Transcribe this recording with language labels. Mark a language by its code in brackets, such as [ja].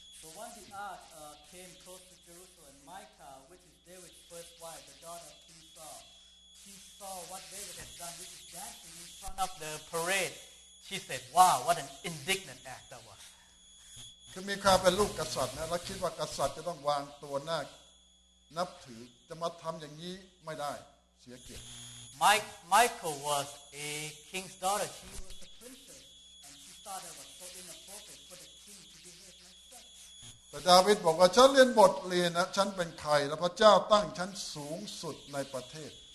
[en] So when the ark came close to Jerusalem, Michal, which is David's first wife, the daughter of King Saul, she saw what David had done, which is dancing in front of the parade. She said, "Wow, what an indignant act that was." [th] คือมีข่าวเป็นลูกกษัตริย์นะแล้วคิดว่ากษัตริย์จะต้องวางตัวหน้านับถือจะมาทำอย่างนี้ไม่ได้เสียเกียรติ [en] Michal was a king's daughter. She was a princess, and she thought it was so inappropriate for the king to behave like that. [th] แต่ดาวิดบอกว่าฉันเรียนบทเรียนนะฉันเป็นใครแล้วพระเจ้าตั้งฉันสูงสุดในประเทศ